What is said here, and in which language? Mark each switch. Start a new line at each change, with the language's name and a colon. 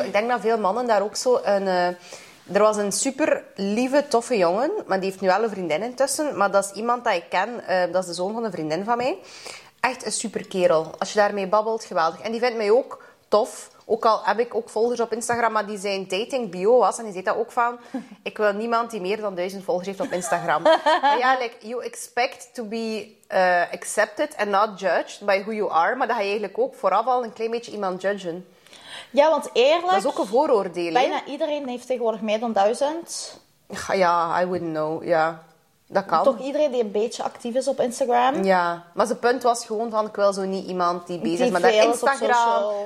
Dutch: Ik denk dat veel mannen daar ook zo een... Er was een super lieve, toffe jongen, maar die heeft nu wel een vriendin intussen. Maar dat is iemand dat ik ken, dat is de zoon van een vriendin van mij. Echt een super kerel. Als je daarmee babbelt, geweldig. En die vindt mij ook tof. Ook al heb ik ook volgers op Instagram, maar die zijn dating bio was. En die zei dat ook van, ik wil niemand die meer dan 1000 volgers heeft op Instagram. Maar ja,
English: like, you expect to be accepted and not judged by who you are.
Dutch: Maar dat ga je eigenlijk ook vooraf al een klein beetje iemand judgen. Ja, want eerlijk... Dat is ook een vooroordeel, bijna he? Iedereen heeft tegenwoordig meer dan 1000.
English: Ja, I wouldn't know.
Dutch: Ja, dat kan. Toch iedereen die een beetje actief is op Instagram. Ja, maar zijn punt was gewoon van, ik wil zo niet iemand die bezig is met dat Instagram.